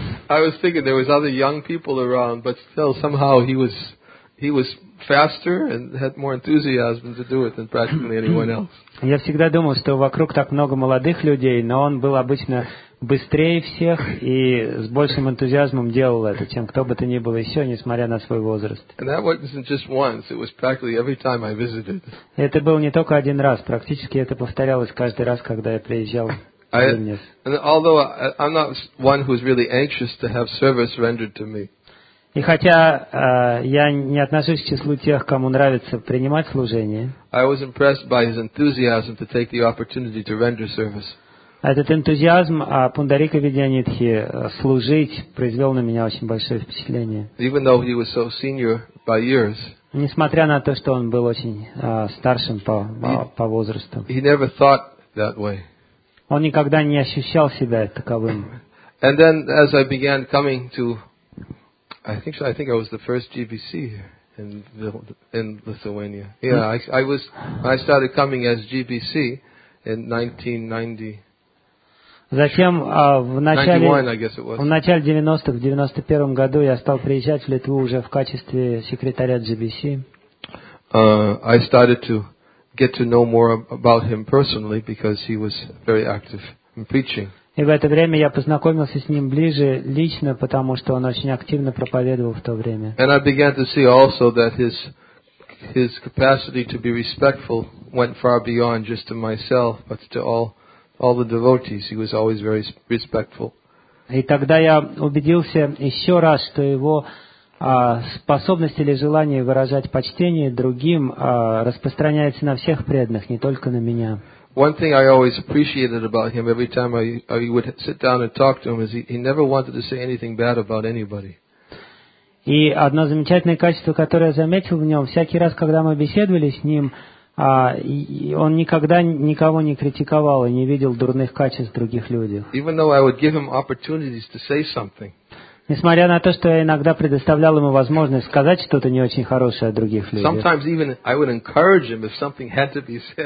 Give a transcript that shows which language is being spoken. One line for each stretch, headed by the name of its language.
English: I was thinking there was other young people around, but still somehow he was faster and had more enthusiasm to do it than practically anyone else.
Russian: Я всегда думал, что вокруг так много молодых людей, но он был обычно быстрее всех и с большим энтузиазмом делал это, чем кто бы то ни было еще, несмотря на свой возраст.
English: And that wasn't just once; it was practically every time I visited.
Russian: Это было не только один раз, практически это повторялось каждый раз, когда я приезжал
English: Although I'm not one who's really anxious to have service rendered to me.
Russian: И хотя я не отношусь к числу тех, кому нравится принимать служение,
English: I was impressed by his enthusiasm to take the opportunity to render service.
Russian: Этот энтузиазм о Пундарика Видьянитхи служить произвел на меня очень большое впечатление.
English: Even though he was so senior by years,
Russian: несмотря на то, что он был очень старшим по возрасту,
English: he never thought that way.
Russian: Он никогда не ощущал себя таковым.
English: And then, as I began coming to, I think I was the first GBC in Lithuania. Yeah, I was. When I started coming as GBC in 1990.
Russian: Затем в начале 90-х, в 91-м году я стал приезжать в Литву уже в качестве секретаря GBC.
English: I started to get to know more about him personally because he was very active in preaching.
Russian: И в это время я познакомился с ним ближе лично, потому что он очень активно проповедовал в то время.
English: And I began to see also that his capacity to be respectful went far beyond just to myself, but to all the devotees. He was always very respectful.
Russian: И тогда я убедился еще раз, что его способность или желание выражать почтение другим распространяется на всех преданных, не только на меня.
English: One thing I always appreciated about him every time I would sit down and talk to him is he never wanted to say anything bad about anybody.
Russian: И одно замечательное качество, которое я заметил в нем, всякий раз, когда мы беседовали с ним, он никогда никого не критиковал и не видел дурных качеств в других людях. Несмотря на то, что я иногда предоставлял ему возможность сказать что-то не очень хорошее о других людях.